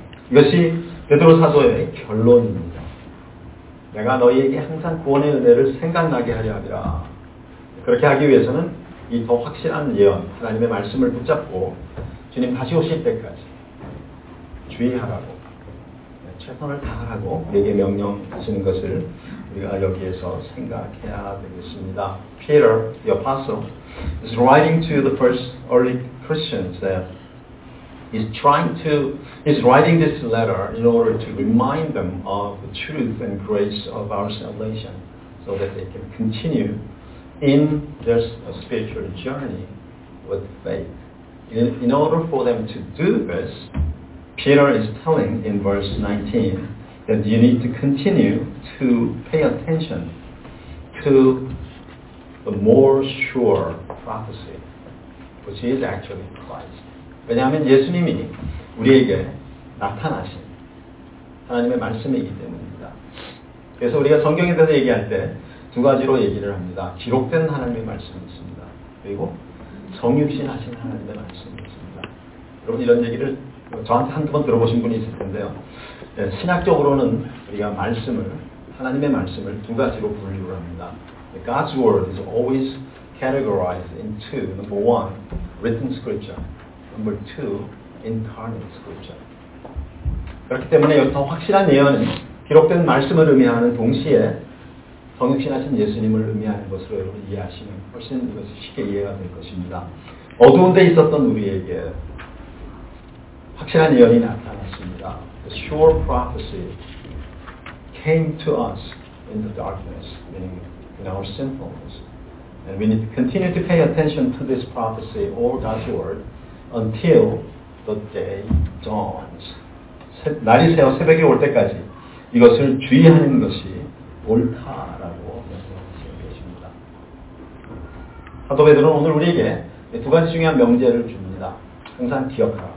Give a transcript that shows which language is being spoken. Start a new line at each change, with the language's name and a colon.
Korean: 이것이 베드로 사도의 결론입니다. 내가 너희에게 항상 구원의 은혜를 생각나게 하려 하리라. 그렇게 하기 위해서는 이 더 확실한 예언, 하나님의 말씀을 붙잡고 주님 다시 오실 때까지 주의하라고 최선을 다하라고 우리에게 명령하시는 것을 우리가 여기에서 생각해야 되겠습니다.
English: Peter, the apostle, is writing to the first early Christians that he's writing this letter in order to remind them of the truth and grace of our salvation so that they can continue in their spiritual journey with faith. In order for them to do this, Peter is telling in verse 19 that you need to continue to pay attention to the more sure prophecy, which is actually Christ.
Korean: 왜냐하면 예수님이 우리에게 나타나신 하나님의 말씀이기 때문입니다. 그래서 우리가 성경에 대해서 얘기할 때 두 가지로 얘기를 합니다. 기록된 하나님의 말씀이 있습니다. 그리고 성육신 하신 하나님의 말씀이 있습니다. 여러분 이런 얘기를 저한테 한두 번 들어보신 분이 있을 텐데요. 신학적으로는 우리가 말씀을, 하나님의 말씀을 두 가지로 분류를 합니다.
English: God's word is always categorized into number one, written scripture. Number two, incarnate scripture.
Korean: 그렇기 때문에 더 확실한 예언은 기록된 말씀을 의미하는 동시에 성육신하신 예수님을 의미하는 것으로 여러분 이해하시면 훨씬 이것이 쉽게 이해가 될 것입니다. 어두운 데 있었던 우리에게 확실한 예언이 나타났습니다.
English: The sure prophecy came to us in the darkness, meaning in our sinfulness. And we need to continue to pay attention to this prophecy or God's word until the day dawns.
Korean: 날이 새어 새벽이 올 때까지 이것을 주의하는 것이 옳다라고 말씀하시고 계십니다. 사도 베드로는 오늘 우리에게 두 가지 중요한 명제를 줍니다. 항상 기억하라.